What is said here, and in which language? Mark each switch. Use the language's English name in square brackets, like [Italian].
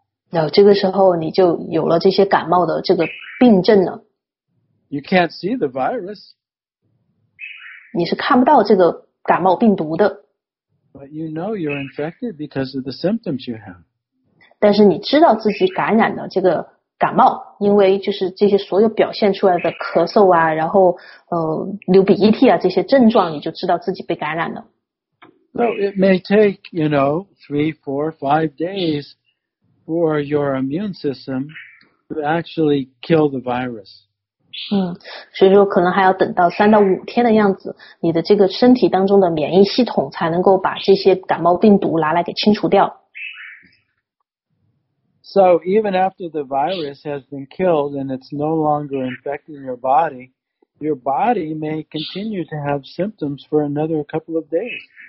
[Chinese] 然后这个时候你就有了这些感冒的这个病症了。 [English] You can't see the virus. [Chinese] 你是看不到这个感冒病毒的。 [English] But you know you're infected because of the symptoms you have. [Chinese] 但是你知道自己感染了这个感冒，因为就是这些所有表现出来的咳嗽啊，然后流鼻涕啊这些症状，你就知道自己被感染了。 [English] So it may take, you know, 3, 4, 5 days for your immune system to actually kill the virus. [Chinese] 所以说可能还要等到3到5天的样子，你的这个身体当中的免疫系统才能够把这些感冒病毒拿来给清除掉。 [English] So even after the virus has been killed and it's no longer infecting your body may continue to have symptoms for another couple of days.